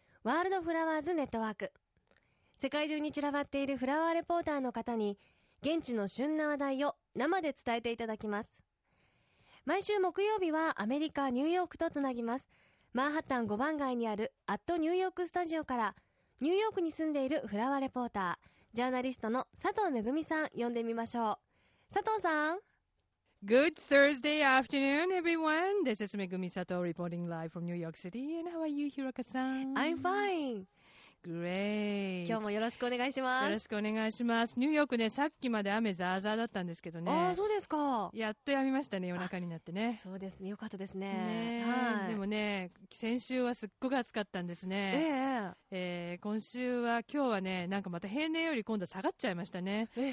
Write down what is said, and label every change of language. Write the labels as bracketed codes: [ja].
[ja] ワールドフラワーズネットワーク。世界中に散らばっているフラワーレポーターの方に現地の旬な話題を生で伝えていただきます。毎週木曜日はアメリカニューヨークとつなぎます。マンハッタン5番街にあるアットニューヨークスタジオからニューヨークに住んでいるフラワーレポータージャーナリストの佐藤めぐみさん呼んでみましょう。佐藤さん。 [en] Good Thursday afternoon everyone. This is Megumi Sato reporting live from New York City. And how are you, Hiroka-san? I'm fine. Great. [ja] 今日もよろしくお願いします。よろしくお願いします。ニューヨークね、さっきまで雨ザーザーだったんですけどね。ああ、そうですか。やっとやみましたね、夜中になってね。そうですね、よかったですね。はい。でもね、先週はすっごく暑かったんですね。今週は、今日はね、なんかまた平年より今度は下がっちゃいましたね。